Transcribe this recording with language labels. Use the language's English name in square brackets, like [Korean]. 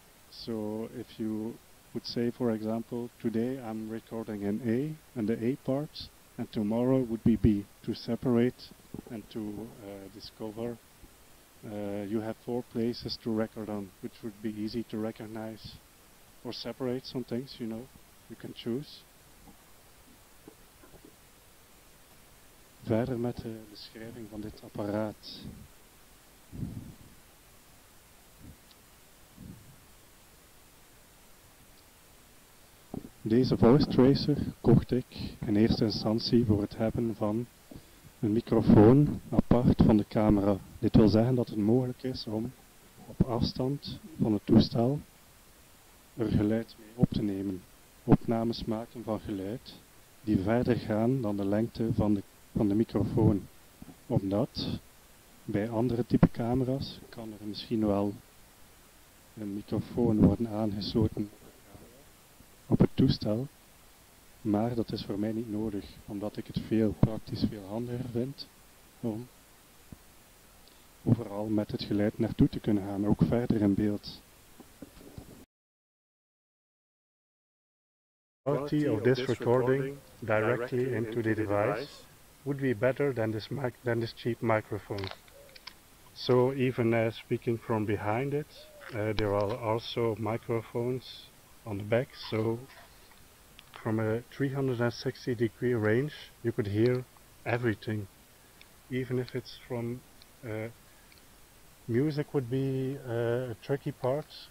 [English] So if you would say, for example, today I'm recording in A and the A part, and tomorrow would be B, to separate and to discover, you have 4 places to record on, which would be easy to recognize or separate some things, you know, you can choose. [Dutch] Verder met de beschrijving van dit apparaat. Deze Voicetracer kocht ik in eerste instantie voor het hebben van een microfoon apart van de camera. Dit wil zeggen dat het mogelijk is om op afstand van het toestel er geluid mee op te nemen. Opnames maken van geluid die verder gaan dan de lengte van de microfoon. Omdat bij andere type camera's kan er misschien wel een microfoon worden aangesloten op het toestel, maar dat is voor mij niet nodig, omdat ik het veel handiger vind om overal met het geluid naartoe te kunnen gaan, ook verder in beeld. [English] Quality of this recording directly into the device would be better than this cheap microphone. So even speaking from behind it, there are also microphones on the back, so from a 360 degree range you could hear everything, even if it's from music would be a tricky part.